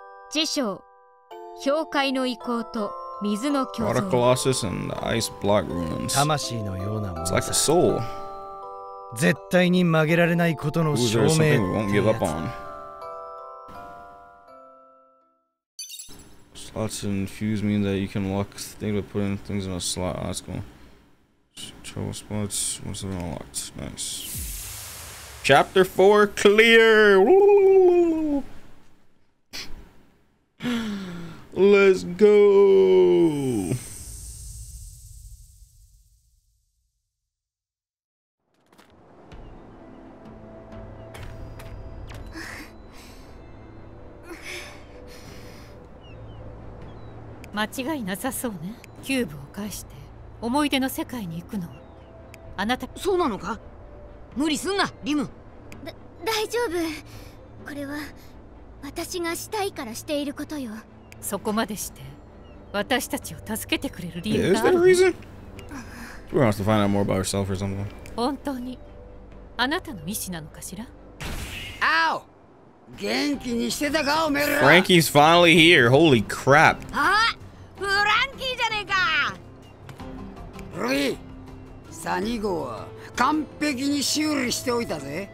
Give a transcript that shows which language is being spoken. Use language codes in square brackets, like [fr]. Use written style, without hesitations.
[ja] 次章、氷塊の遺構と水の巨像。 [en] Water Colossus and the Ice Block Ruins. [ja] 魂のようなもの。 [en] It's like a soul. [ja] 絶対に曲げられないことの証明ってやつ。 [en] Slots and fuse mean that you can lock things by putting things in a slot. Oh, that's cool. Trouble spots, once they're unlocked. Nice. Chapter 4 clear! Let's go! [ja] 間違いなさそうね。キューブを返して思い出の世界に行くのはあなた。そうなのか。無理すんな、リム。大丈夫。これは私がしたいからしていることよ。そこまでして私たちを助けてくれる理由がある [en] 。 Is that a reason? We're gonna have to find out more about ourselves or something. [ja] 本当にあなたの意思なのかしら。あお。元気にしてたかおめえら。 [en] Frankie's finally here. Holy crap. [ja] あ、フランキーじゃねえか。ルイ、サニゴは完璧に修理しておいたぜ。